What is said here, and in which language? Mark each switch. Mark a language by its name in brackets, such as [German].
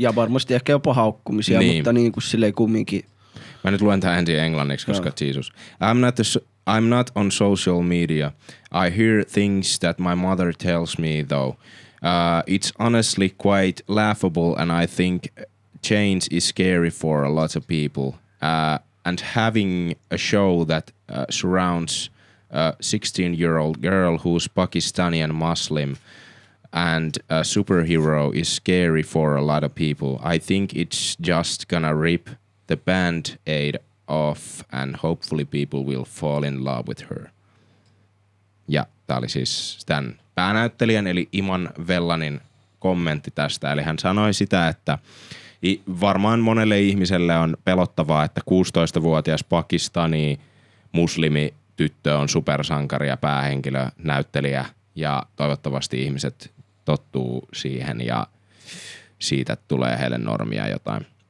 [Finnish] Ja varmasti ehkä jopa haukkumisia, niin. Mutta niin kuin silleen kumminkin. Mä nyt luen tähän ensin englanniksi, koska Jesus. [English] I'm not on social media. I hear things that my mother tells me though. It's honestly quite laughable and I think change is scary for a lot of people. And having a show that surrounds a 16-year-old girl who's Pakistani and Muslim and a superhero is scary for a lot of people. I think it's just gonna rip the band-aid off and hopefully people will fall in love with her. [Finnish] Ja tää oli siis tämän päänäyttelijän eli Iman Vellanin kommentti tästä. Eli hän sanoi sitä, että varmaan monelle ihmiselle on pelottavaa, että 16-vuotias Pakistani muslimi tyttö on supersankari ja päähenkilö, näyttelijä ja toivottavasti ihmiset tottuu siihen ja siitä tulee heille normia jotain.